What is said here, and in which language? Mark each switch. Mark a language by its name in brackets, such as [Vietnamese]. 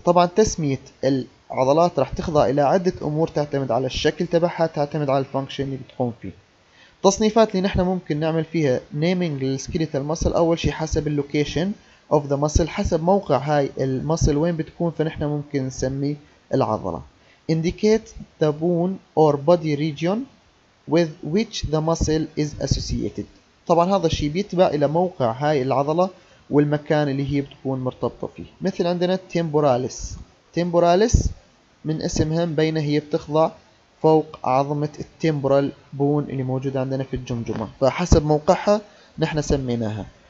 [Arabic] طبعا تسمية العضلات راح تخضع إلى عدة أمور، تعتمد على الشكل تبعها، تعتمد على الفانكشن اللي بتقوم فيه. تصنيفات اللي نحن ممكن نعمل فيها [English] naming skeletal muscle، [Arabic] أول شيء حسب اللوكيشن [English] of the muscle، [Arabic] حسب موقع هاي المسل وين بتكون، فنحن ممكن نسمي العضلة. [English] Indicate the bone or body region with which the muscle is associated. [Arabic] طبعا هذا الشيء بيتبع إلى موقع هاي العضلة والمكان اللي هي بتكون مرتبطة فيه. مثل عندنا temporalis. Temporalis من اسمها مبينة هي بتخضع فوق عظمة التيمبرال بون اللي موجودة عندنا في الجمجمة، فحسب موقعها نحن سميناها.